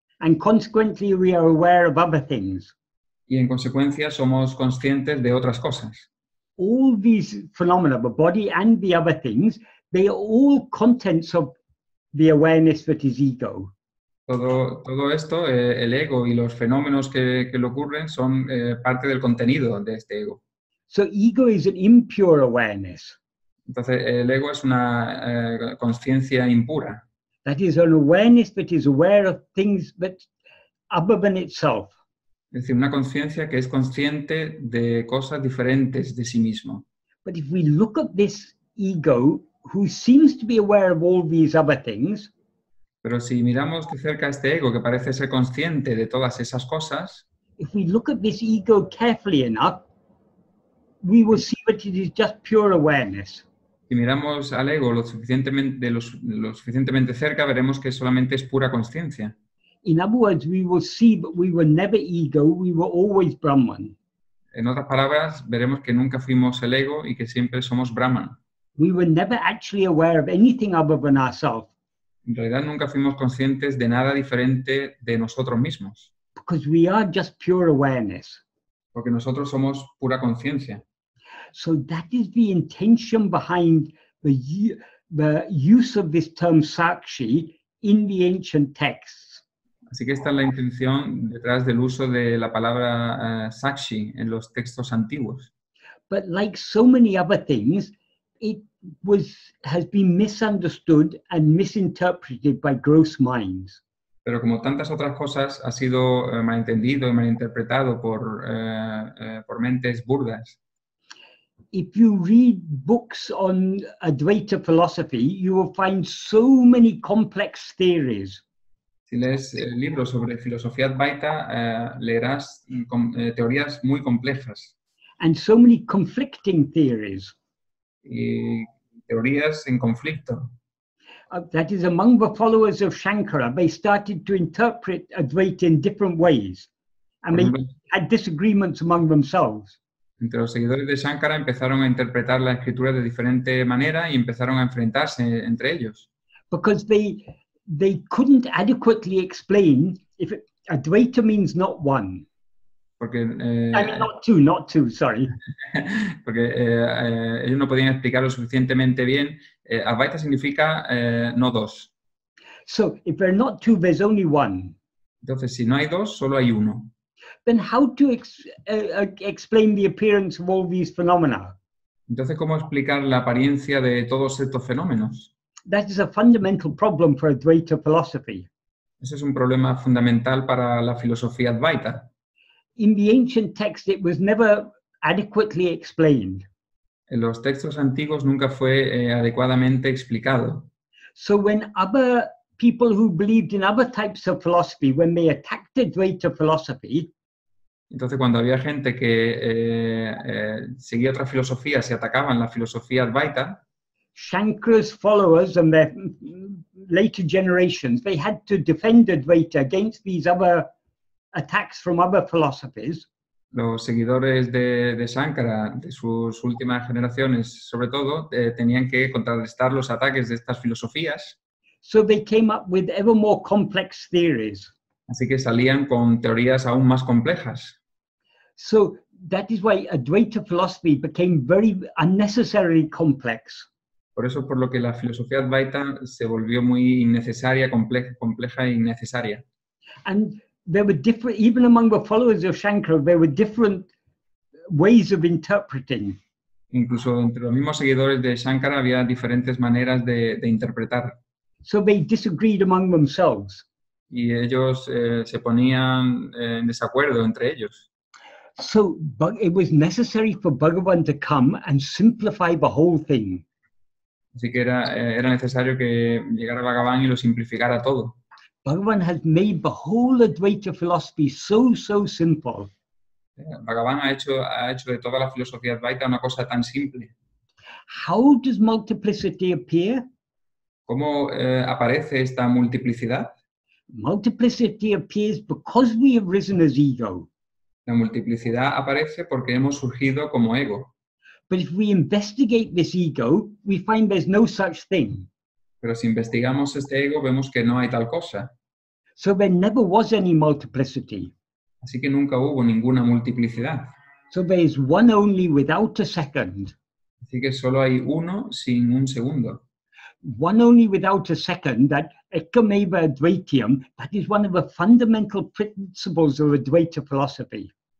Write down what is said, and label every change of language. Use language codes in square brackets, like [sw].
[en] And consequently, we are aware of other things. [es] Y en consecuencia somos conscientes de otras cosas. [en] All these phenomena, the body and the other things, they are all contents of the awareness that is ego. [es] Todo esto, el ego y los fenómenos que le ocurren son parte del contenido de este ego. [en] So ego is an impure awareness. [es] Entonces el ego es una conciencia impura. [en] That is an awareness that is aware of things that other than itself. [es] Es decir, una conciencia que es consciente de cosas diferentes de sí mismo. [en] But if we look at this ego, who seems to be aware of all these other things, [es] pero si miramos de cerca a este ego que parece ser consciente de todas esas cosas, [en] if we look at this ego carefully enough, we will see that it is just pure awareness. [es] Si miramos al ego lo suficientemente cerca, veremos que solamente es pura consciencia. [en] In other words, we will see that we were never ego, we were always Brahman. [es] En otras palabras, veremos que nunca fuimos el ego y que siempre somos Brahman. [en] We were never actually aware of anything other than ourselves. [es] En realidad nunca fuimos conscientes de nada diferente de nosotros mismos. [en] Because we are just pure awareness. [es] Porque nosotros somos pura conciencia. [en] So that is the intention behind the use of this term sakshi in the ancient texts. [es] Así que esta es la intención detrás del uso de la palabra sakshi en los textos antiguos. [en] But like so many other things, it has been misunderstood and misinterpreted by gross minds. [es] Pero como tantas otras cosas, ha sido malentendido y malinterpretado por mentes burdas. [en] If you read books on Advaita philosophy, you will find so many complex theories. [es] Si lees libros sobre filosofía Advaita, leerás teorías muy complejas. [en] And so many conflicting theories. [es] Y teorías en conflicto. [en] That is, among the followers of Shankara, they started to interpret Advaita in different ways. And they had disagreements among themselves. [es] Entre los seguidores de Shankara empezaron a interpretar la escritura de diferente manera y empezaron a enfrentarse entre ellos. [en] Because they couldn't adequately explain if Advaita means not one. [es] Porque, [en] not two, sorry. [es] Porque ellos no podían explicarlo suficientemente bien. Advaita significa no dos. [en] So, if there are not two, there's only one. [es] Entonces, si no hay dos, solo hay uno. [en] Then how to explain the appearance of all these phenomena? [es] Entonces, ¿cómo explicar la apariencia de todos estos fenómenos? [en] That is a fundamental problem for Advaita philosophy. [es] Ese es un problema fundamental para la filosofía Advaita. [en] In the ancient text, it was never adequately explained. [es] En los textos antiguos nunca fue adecuadamente explicado. [en] So when other people who believed in other types of philosophy, when they attacked Advaita philosophy, [es] entonces cuando había gente que seguía otras filosofías y atacaban la filosofía Advaita, [en] Shankara's followers and their later generations, they had to defend Advaita against these other attacks from other philosophies. [es] Los seguidores de Shankara, de sus últimas generaciones, sobre todo, tenían que contrarrestar los ataques de estas filosofías. [en] So they came up with ever more complex theories. [es] Así que salían con teorías aún más complejas. [en] So that is why Advaita philosophy became very unnecessarily complex. [es] Por eso, por lo que la filosofía Advaita se volvió muy innecesaria, compleja e innecesaria. [en] And there were different, even among the followers of Shankara, there were different ways of interpreting. [es] Incluso entre los mismos seguidores de Shankara había diferentes maneras de interpretar. [en] So they disagreed among themselves. [es] Y ellos se ponían en desacuerdo entre ellos. [en] So it was necessary for Bhagavan to come and simplify the whole thing. [es] Así que era necesario que llegara Bhagavan y lo simplificara todo. [en] Bhagavan has made the whole Advaita philosophy so simple. [es] Bhagavan ha hecho de toda la filosofía Advaita una cosa tan simple. [en] How does multiplicity appear? [es] ¿Cómo aparece esta multiplicidad? [en] Multiplicity appears because we have risen as ego. [es] La multiplicidad aparece porque hemos surgido como ego. [en] But if we investigate this ego, we find there's no such thing. [es] Pero si investigamos este ego, vemos que no hay tal cosa. [en] So there never was any multiplicity. [es] Así que nunca hubo ninguna multiplicidad. [en] So there is one only without a second. [es] Así que solo hay uno sin un segundo. [en] One only without a second, that ekameva advaitiam, that is one of the fundamental principles of Advaita philosophy.